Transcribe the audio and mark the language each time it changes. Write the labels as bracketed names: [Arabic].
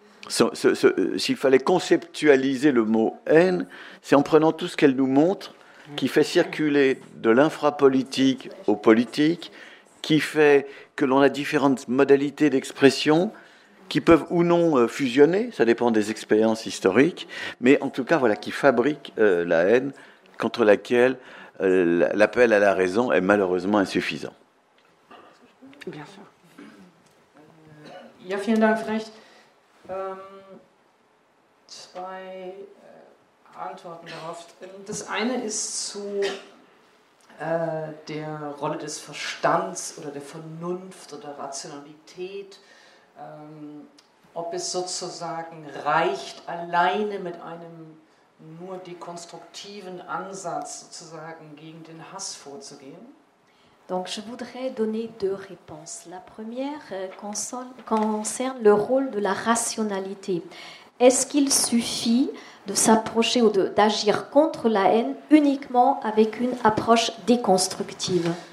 [French] S'il fallait conceptualiser le mot haine, c'est en prenant tout ce qu'elle nous montre, qui fait circuler de l'infrapolitique au politique, qui fait que l'on a différentes modalités d'expression, qui peuvent ou non fusionner, ça dépend des expériences historiques, mais en tout cas, voilà, qui fabrique la haine contre laquelle l'appel à la raison est malheureusement insuffisant. Bien sûr. [German] Ja, vielen Dank, vielleicht zwei Antworten darauf. Das eine ist zu der Rolle des Verstands oder der Vernunft oder Rationalität, ob es sozusagen reicht, alleine mit einem nur dekonstruktiven Ansatz sozusagen gegen den Hass vorzugehen. [French] Donc, je voudrais donner deux réponses. La première concerne le rôle de la rationalité. Est-ce qu'il suffit de s'approcher ou d'agir contre la haine uniquement avec une approche déconstructive?